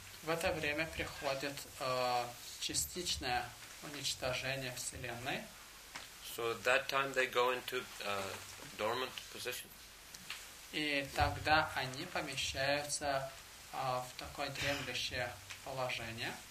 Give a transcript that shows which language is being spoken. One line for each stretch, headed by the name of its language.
Russian: В это время приходит частичное уничтожение Вселенной.
English: So at that time they go into a dormant position.
Russian: И тогда они помещаются в такое дремлющее положение.